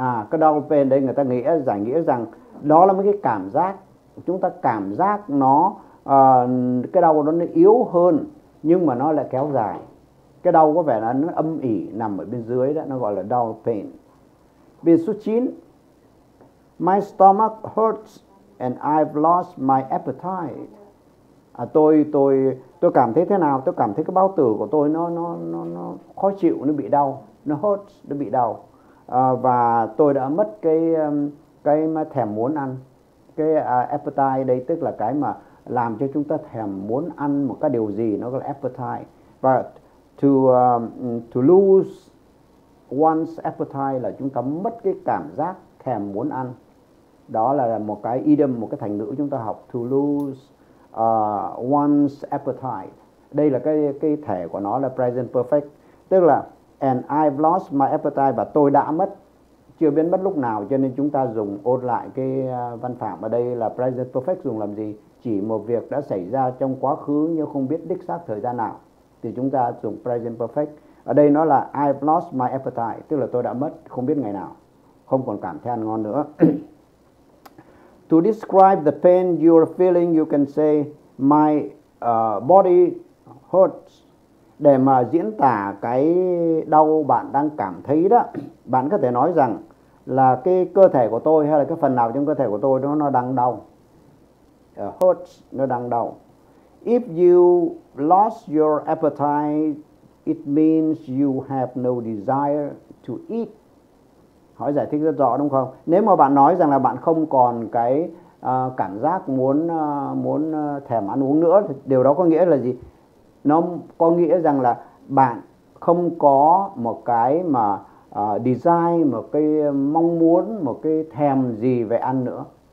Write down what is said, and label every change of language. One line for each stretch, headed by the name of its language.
Vietnamese: Cái dull pain đây người ta nghĩa giải nghĩa rằng đó là một cái cảm giác, chúng ta cảm giác nó cái đau đó nó yếu hơn nhưng mà nó lại kéo dài. Cái đau có vẻ là nó âm ỉ nằm ở bên dưới đó, nó gọi là dull pain. Bên số 9,
English: my stomach hurts and I've lost my appetite.
Vietnamese: Tôi cảm thấy thế nào? Tôi cảm thấy cái bao tử của tôi nó khó chịu, nó bị đau, nó hurts, nó bị đau. Và tôi đã mất cái thèm muốn ăn. Cái appetite đây tức là cái mà làm cho chúng ta thèm muốn ăn một cái điều gì, nó gọi là appetite. Và
English: to lose one's appetite
Vietnamese: là chúng ta mất cái cảm giác thèm muốn ăn. Đó là một cái idiom, một cái thành ngữ chúng ta học,
English: to lose one's appetite.
Vietnamese: Đây là cái thể của nó là present perfect, tức là
English: and I've lost my appetite,
Vietnamese: và tôi đã mất, chưa biết mất lúc nào. Cho nên chúng ta dùng ôn lại cái văn phạm ở đây là present perfect dùng làm gì? Chỉ một việc đã xảy ra trong quá khứ nhưng không biết đích xác thời gian nào thì chúng ta dùng present perfect. Ở đây nó là
English: I've lost my appetite,
Vietnamese: tức là tôi đã mất, không biết ngày nào, không còn cảm thấy ăn ngon nữa.
English: To describe the pain you are feeling, you can say my body hurts.
Vietnamese: Để mà diễn tả cái đau bạn đang cảm thấy đó, bạn có thể nói rằng là cái cơ thể của tôi hay là cái phần nào trong cơ thể của tôi nó đang đau. Hurts, nó đang đau.
English: If you lost your appetite, it means you have no desire to eat.
Vietnamese: Hỏi giải thích rất rõ đúng không? Nếu mà bạn nói rằng là bạn không còn cái cảm giác muốn thèm ăn uống nữa, thì điều đó có nghĩa là gì? Nó có nghĩa rằng là bạn không có một cái mà desire, một cái mong muốn, một cái thèm gì về ăn nữa.